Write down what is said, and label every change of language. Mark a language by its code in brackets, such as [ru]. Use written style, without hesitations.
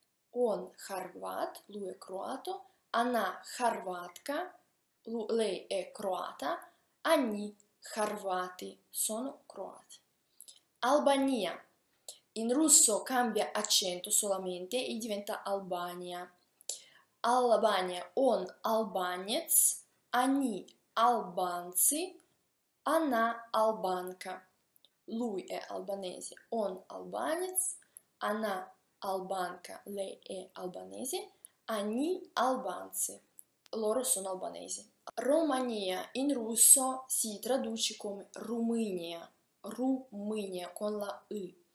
[ru] Он хорват, [it] lui è croato, [ru] она хорватка, [it] lei è croata, [ru] они хорваты, [it] sono croati. [ru] Албания. [it] In russo cambia accento solamente e diventa Albania. [ru] Албания, он албанец, они албанцы, она албанка. [it] Lui è albanese, [ru] он албанец, она Albanca, [it] lei è albanese, [ru] anni albanzi, [it] loro sono albanesi. Romania in russo si traduce come Rumunia, Rumunia con la U.